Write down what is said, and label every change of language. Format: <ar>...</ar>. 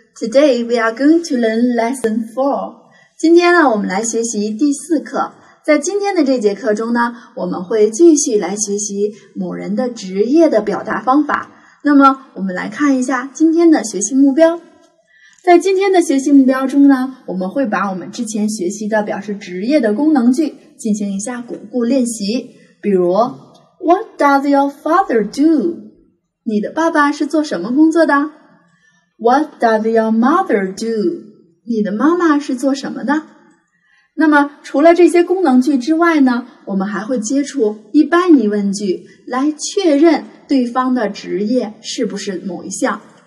<en>Today, we are going to learn lesson 4.</en> <zh>今天呢，我们来学习第四课。在今天的这节课中呢，我们会继续来学习某人的职业的表达方法。那么，我们来看一下今天的学习目标。在今天的学习目标中呢，我们会把我们之前学习的表示职业的功能句进行一下巩固练习。比如</zh> <en>,What does your father do?</en> <zh>你的爸爸是做什么工作的 ?</zh> <en>What does your mother do?</en> <zh>你的妈妈是做什么的？那么除了这些功能句之外呢，我们还会接触一般疑问句来确认对方的职业是不是某一项。</zh>